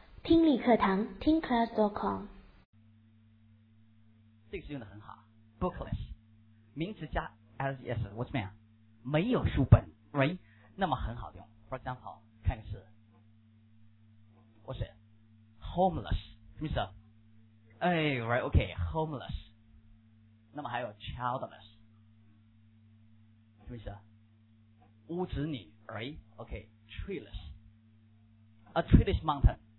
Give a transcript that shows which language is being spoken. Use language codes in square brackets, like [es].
[zh] 听力课堂，听 class.com。这个词用的很好 ，bookless， 名词加 less， [en] what's mean？ [zh] 没有书本 ， [en] right？ [zh] 那么很好用。 [en] For example， [zh] 看个词 [en] ，what's it？ Homeless， [zh] 什么意思？哎 [en] ，right， OK， homeless。 [zh] 那么还有 childless， 什么意思？无子女 [en] ，right？ OK， treeless， a treeless mountain。